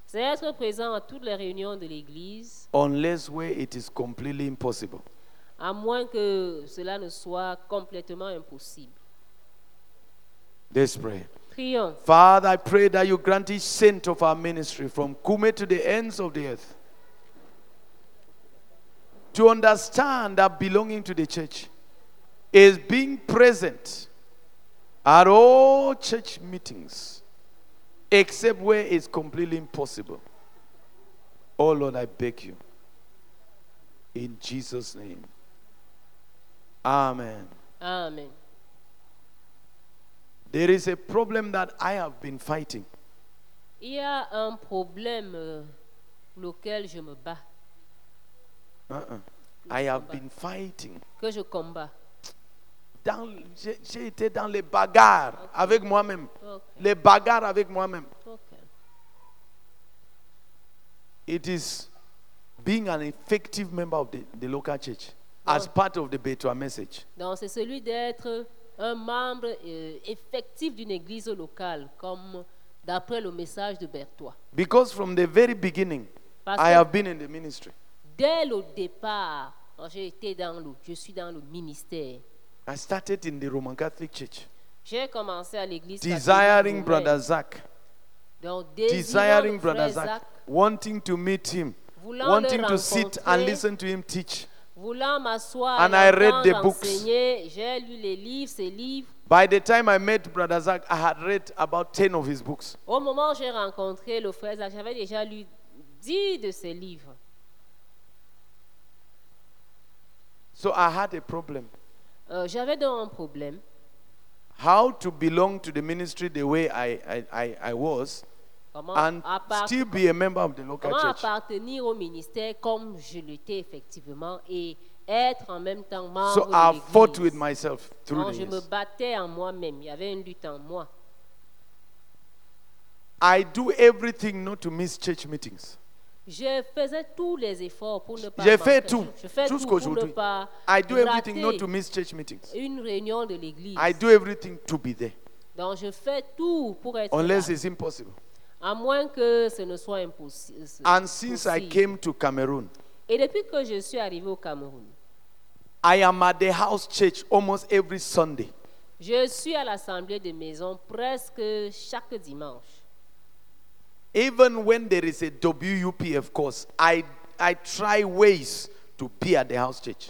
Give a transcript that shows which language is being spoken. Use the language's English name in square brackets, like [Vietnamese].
[French] c'est être présent à toutes les réunions de l'église, [English] unless where it is completely impossible, [French] à moins que cela ne soit complètement impossible. [English] Let's pray. [French] Prions. [English] Father, I pray that you grant each saint of our ministry from Kume to the ends of the earth to understand that belonging to the church is being present at all church meetings, except where it's completely impossible. Oh Lord, I beg you. In Jesus' name. Amen. Amen. There is a problem that I have been fighting. [French] Il y a un problème lequel je me bats. [English] I have been fighting. [French] Que je combat. J'ai été dans les bagarres, okay, avec moi-même. [English] Okay. [French] Les bagarres avec moi-même. [English] Okay. It is being an effective member of the local church, oh, as part of the Betua message. [French] Donc c'est celui d'être un membre effectif d'une église locale, comme d'après le message de Betua. [English] Because from the very beginning, [French] parce [English] I have been in the ministry. [French] Dès le départ, j'ai été dans le, je suis dans le ministère. [English] I started in the Roman Catholic Church. [French] J'ai commencé à l'église [English] desiring Brother Zach. [French] Donc, [English] desiring Brother Zach, wanting to meet him, wanting to sit and listen to him teach. [French] Voulant m'asseoir [English] and I read the books. [French] J'ai lu les livres, ces livres. [English] By the time I met Brother Zach, I had read about 10 of his books. [French] Au moment où j'ai rencontré le frère Zach, j'avais déjà lu 10 de ses livres. [English] So I had a problem. [French] J'avais donc un problème. [English] How to belong to the ministry the way I was, [French] comment [English] and still be a member of the local [French] comment [English] church. [French] Comment appartenir au ministère comme je l'étais effectivement et être en même temps membre [English] so [French] de l'église. [English] So I fought with myself through this. [French] Je me battais en moi-même. Il y avait une lutte en moi. [English] I do everything not to miss church meetings. [French] Je faisais tous les efforts pour ne pas j'ai fait tout. Je fais tout, tout pour ne [English] doing. [French] Pas [English] I do everything not to miss church meetings. [French] Une réunion de l'église. [English] I do everything to be there. [French] Donc je fais tout pour être [English] unless [French] là. [English] It's impossible. [French] À moins que ce ne soit impossible. [English] And since possible. I came to Cameroon. [French] Et depuis que je suis arrivé au Cameroun. [English] I am at the house church almost every Sunday. [French] Je suis à l'assemblée de maison presque chaque dimanche. [English] Even when there is a WUPF course, I try ways to be at the house church.